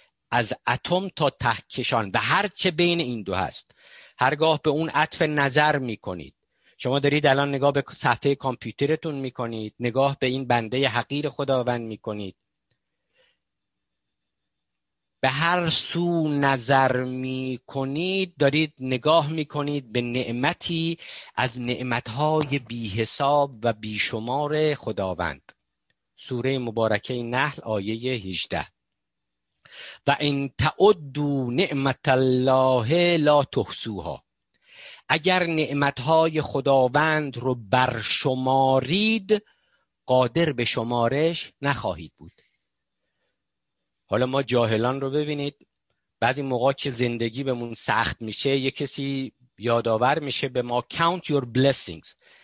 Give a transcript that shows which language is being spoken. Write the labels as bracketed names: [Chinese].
[Persian] از اتم تا کهکشان و هرچه بین این دو هست، هرگاه به اون عطف نظر میکنید، شما دارید الان نگاه به صفحه کامپیوترتون میکنید، نگاه به این بنده حقیر خداوند میکنید، به هر سو نظر می کنید دارید نگاه می کنید به نعمتی از نعمتهای بی حساب و بی شمار خداوند. سوره مبارکه نحل آیه 18. [Arabic] و ان تعدوا نعمت الله لا تحصوها. [Persian] اگر نعمتهای خداوند رو برشمارید، قادر به شمارش نخواهید بود. حالا ما جاهلان رو ببینید، بعضی موقع که زندگی بهمون سخت میشه، یه کسی یادآور میشه به ما، [English] count your blessings.